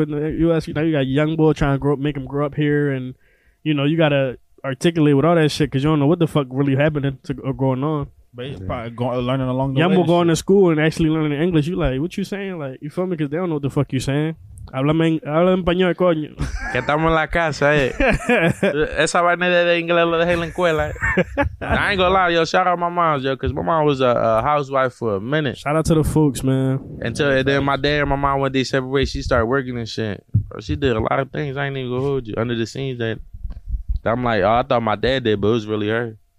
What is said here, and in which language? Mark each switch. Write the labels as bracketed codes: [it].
[en] And you ask, now you got a young boy trying to grow up, make him grow up here, and you know you gotta articulate with all that shit because you don't know what the fuck really happening to or going on. But he's probably learning along the young way. Young boy going to school and actually learning English. You like what you saying? Like, you feel me? Because they don't know what the fuck you saying. [es] Habla en español, coño. Que estamos en la casa, eh. Esa vaina de inglés lo dejé en la escuela. [en] I ain't gonna lie, yo. Shout out my mom, yo. Because my mom was a housewife for a minute. Shout out to the folks, man. Until then, my dad and my mom, when they separated, she started working and shit. Bro, she did a lot of things. I ain't even gonna hold you. Under the scenes that I'm like, oh, I thought my dad did, but it was really her.